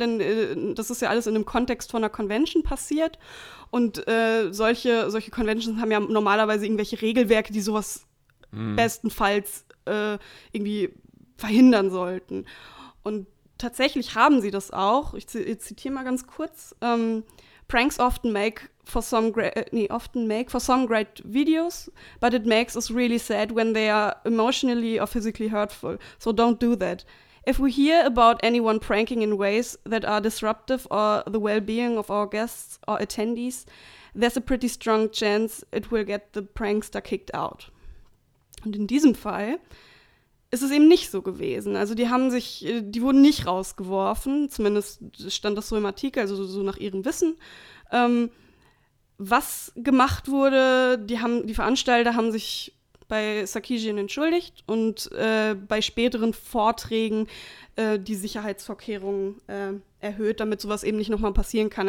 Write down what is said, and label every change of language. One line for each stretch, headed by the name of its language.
German: Denn das ist ja alles in dem Kontext von einer Convention passiert. Und solche Conventions haben ja normalerweise irgendwelche Regelwerke, die sowas bestenfalls irgendwie verhindern sollten. Und tatsächlich haben sie das auch. Ich zitiere mal ganz kurz.
English: Pranks often make for some great videos, but it makes us really sad when they are emotionally or physically hurtful. So don't do that. If we hear about anyone pranking in ways that are disruptive or the well-being of our guests or attendees, there's a pretty strong chance it will get the prankster kicked out.
German: Und in diesem Fall ist es eben nicht so gewesen. Also die wurden nicht rausgeworfen, zumindest stand das so im Artikel, also so nach ihrem Wissen. Was gemacht wurde, die Veranstalter haben sich bei Sarkeesian entschuldigt und bei späteren Vorträgen die Sicherheitsvorkehrungen erhöht, damit sowas eben nicht nochmal passieren kann.